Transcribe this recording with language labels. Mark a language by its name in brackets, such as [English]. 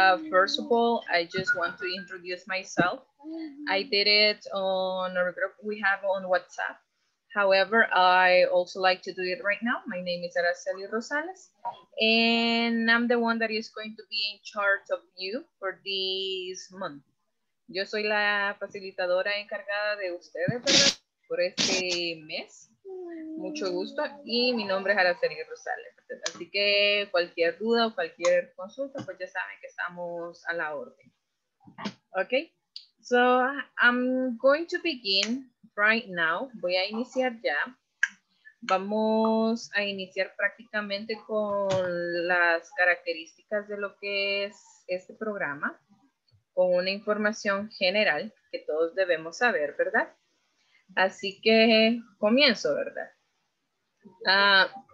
[English] First of all, I just want to introduce myself. I did it on our group we have on WhatsApp. However, I also like to do it right now. My name is Araceli Rosales, and I'm the one that is going to be in charge of you for this month. [Spanish] Yo soy la facilitadora encargada de ustedes, ¿verdad? Por este mes. Mucho gusto, y mi nombre es Araceli Rosales, así que cualquier duda o cualquier consulta, pues ya saben que estamos a la orden. [English] Okay, so I'm going to begin right now. [Spanish] Voy a iniciar ya. Vamos a iniciar prácticamente con las características de lo que es este programa, con una información general que todos debemos saber, ¿verdad? Así que comienzo, ¿verdad?